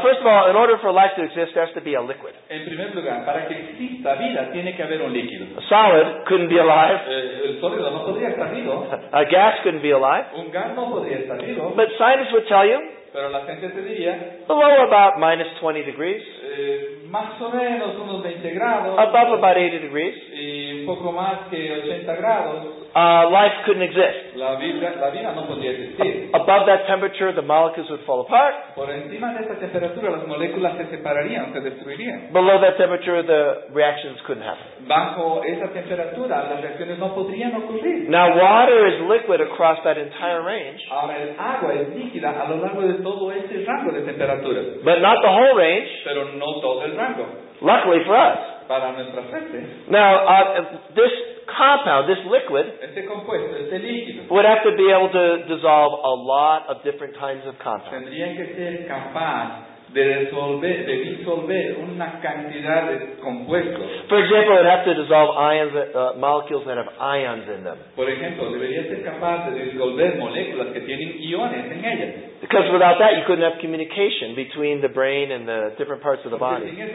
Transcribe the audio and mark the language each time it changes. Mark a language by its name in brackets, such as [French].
[English] First of all, in order for life to exist, there has to be a liquid. [Spanish] En primer lugar, para que exista vida, tiene que haber un líquido. [English] A solid couldn't be alive. [Spanish] El sólido no podría estar vivo. [English] A gas couldn't be alive. [Spanish] Un gas no podría estar vivo. [English] But scientists would tell you, [Spanish] pero la gente te diría, [English] below about minus 20 degrees, [Spanish] más o menos unos 20 grados, [English] above about 80 degrees, [Spanish] y un poco más que 80 grados, [English] Life couldn't exist. [Spanish] La vida no podía existir. [English] Above that temperature, the molecules would fall apart. [Spanish] Por encima de esa temperatura, las moléculas se separarían, se destruirían. [English] Below that temperature, the reactions couldn't happen. [Spanish] Bajo esa temperatura, las reacciones no podrían ocurrir. [English] Now, water is liquid across that entire range. [Spanish] Ahora, el agua es líquida a lo largo de todo ese rango de temperatura. [English] But not the whole range. [Spanish] Pero no todo el rango. [English] Luckily for us. [Spanish] Para nuestra gente. [English] Now, this compound, this liquid, [Spanish] este compuesto, este líquido, [English] would have to be able to dissolve a lot of different kinds of compounds. [Spanish] Tendrían que ser capaz de resolver, de disolver una cantidad de compuestos. [English] For example, it would have to dissolve ions, molecules that have ions in them. [Spanish] Por ejemplo, debería ser capaz de disolver moléculas que tienen iones en ellas. [English] Because without that, you couldn't have communication between the brain and the different parts of the body.